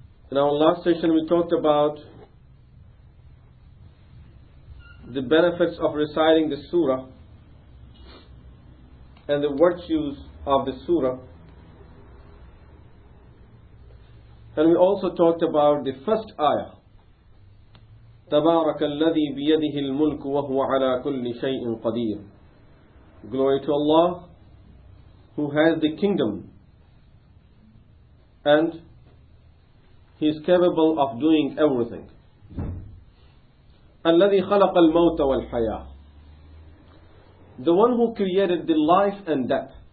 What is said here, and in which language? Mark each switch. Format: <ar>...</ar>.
<en>In our last session we talked about the benefits of reciting the surah and the virtues of the surah. And we also talked about the first ayah,</en> <ar>تَبَارَكَ الَّذِي بِيَدِهِ الْمُلْكُ وَهُوَ عَلَىٰ كُلِّ شَيْءٍ قَدِيرٍ.</ar> <en>Glory to Allah who has the kingdom and He is capable of doing everything.</en> <ar>الَّذِي خَلَقَ الْمَوْتَ وَالْحَيَاةِ.</ar> <en>The one who created the life and death.</en>